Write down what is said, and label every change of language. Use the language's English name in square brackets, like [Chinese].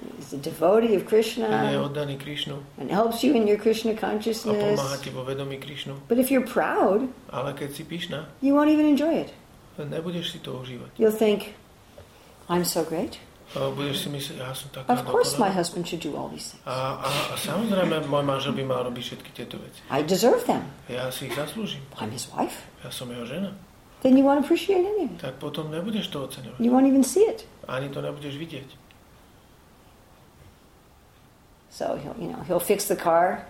[English] He's a devotee of Krishna. [Slovak] Je oddaný Krishnu. [English] And helps you in your Krishna consciousness. [Slovak] A pomáha ti vo vedomí Krishnu. [English] But if you're proud, [Slovak] ale keď si pyšná, [English] you won't even enjoy it. [Slovak] Nebudeš si to užívať. [English] You'll think, I'm so great. [Slovak] Budeš si myslieť, ja som taká dokonalá. [English] Of course my husband should do all these things. [Slovak] A samozrejme, môj manžel by mal robiť všetky tieto veci. [English] I deserve them. [Slovak] Ja si ich zaslúžim. [English] I'm his wife. [Slovak] Ja som jeho žena. [English] Then you won't appreciate anything. [Slovak] Tak potom nebudeš to oceňovať. [English] You won't even see it. [Slovak] Ani to nebudeš vidieť. [English] So he'll, you know, he'll fix the car.